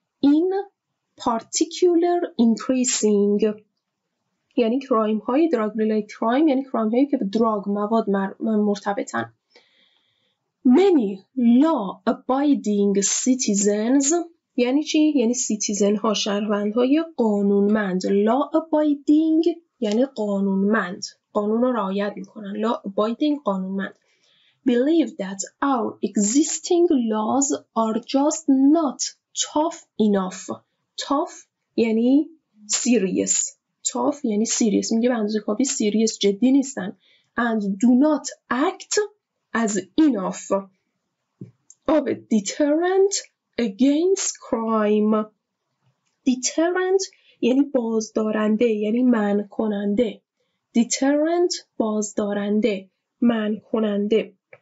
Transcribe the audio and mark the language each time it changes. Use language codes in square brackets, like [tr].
[en] in particular increasing، [fa] یعنی کرایم های دراگ ریلیتد کرایم، یعنی کرایم هایی که به دراگ مواد مرتبطن. [en] Many law-abiding citizens، [fa] یعنی چی؟ یعنی سیتیزن ها، شهروند های قانونمند. Law-abiding یعنی قانونمند، قانون را رعایت میکنن. Law-abiding قانونمند. [en] Believe that our existing laws are just not tough enough. Tough [fa] یعنی [en] serious. Tough یعنی serious. [fa] میگه به اندازه کافی serious، جدی نیستن. [en] And do not act as enough of a deterrent against crime. [fa] Deterrent یعنی بازدارنده، یعنی منع کننده. Deterrent بازدارنده، منع کننده.